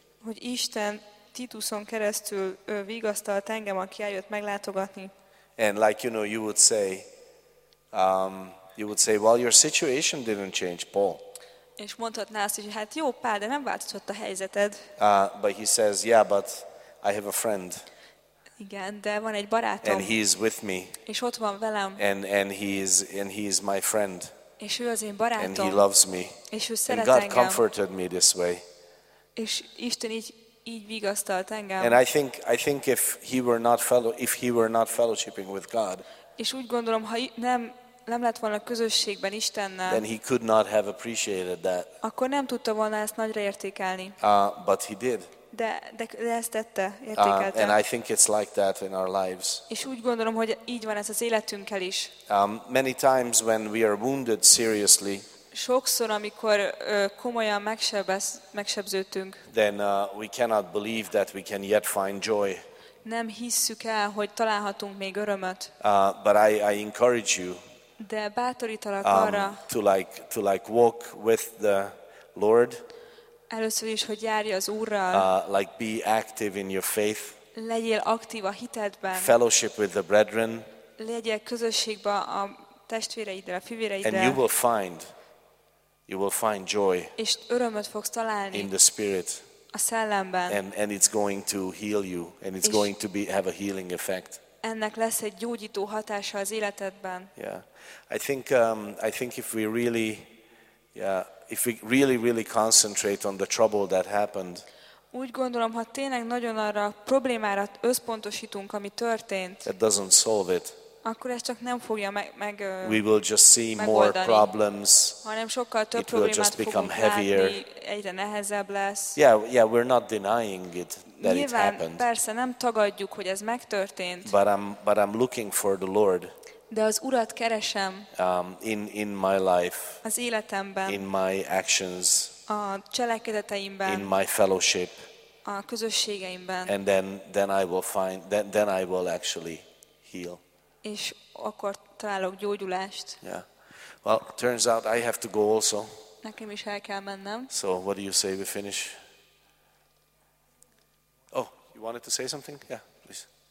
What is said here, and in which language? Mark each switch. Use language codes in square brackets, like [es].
[hu] Hogy Isten Tituson keresztül vigasztalt engem, aki eljött meglátogatni. [en] And like you know, you would say, well, your situation didn't change, Paul. [hu] És mondhatná azt, hogy hát jó, Pál, de nem változott a helyzeted. [en] But he says, yeah, but I have a friend. [hu] Igen, de van egy barátom. [en] And he is with me. [hu] És ott van velem. [en] And he is my friend. [hu] És ő az én barátom. [en] And he loves me. [hu] És ő szeret engem. [en] And God comforted me this way. [hu] És Isten így vigasztalt engem. [en] And I think if he were not fellowshipping with God. [hu] És úgy gondolom, ha nem lett volna közösségben Istennel. [en] Then he could not have appreciated that. [hu] Akkor nem tudta volna ezt nagyra értékelni. [en] But he did. [hu] De ezt tette, értékelte. [en] And I think it's like that in our lives. [hu] És úgy gondolom, hogy így van ez az életünkkel is. [en] Many times when we are wounded seriously. [hu] Sokszor, amikor komolyan megsebződtünk. [en] Then we cannot believe that we can yet find joy. [hu] Nem hisszük el, hogy találhatunk még örömöt. [en] But I encourage you. [hu] De bátorítalak arra. [en] To like walk with the Lord. [hu] Először is, hogy járj az Úrral. [en] Like be active in your faith. [hu] Legyél aktív a hitedben. [en] Fellowship with the brethren. [hu] legyél közösségben a testvéreiddel, a fivéreiddel. [en] And you will find joy. [hu] És örömöt fogsz találni. [en] In the spirit. [hu] A szellemben. [en] And it's going to heal you, and it's going to have a healing effect. [hu] Ennek lesz egy gyógyító hatása az életedben. [en] Yeah, I think if we really, if we really really concentrate on the trouble that happened. [hu] Úgy gondolom, ha tényleg nagyon arra a problémára összpontosítunk, ami történt. [en] That doesn't solve it. [hu] Akkor ez csak nem fogja meg [en] we will just see [hu] megoldani. [en] More problems. [hu] Hanem sokkal több problémát fogunk látni. [en] It will just heavier. [hu] Egyre nehezebb lesz. [en] Yeah, we're not denying it that [hu] nyilván, [en] it happened. [hu] Persze nem tagadjuk, hogy ez megtörtént. [en] But I'm looking for the Lord. [hu] De az Urat keresem. [en] In my life. [hu] Az életemben. [en] In my actions. [hu] A cselekedeteimben. [en] In my fellowship. [hu] A közösségeimben. [en] And then I will find then I will actually heal. [hu] És akkor találok gyógyulást. [en] Yeah. Well, turns out I have to go also. [hu] Nekem is el kell mennem. [en] So, what do you say we finish? Oh, you wanted to say something? Yeah, please.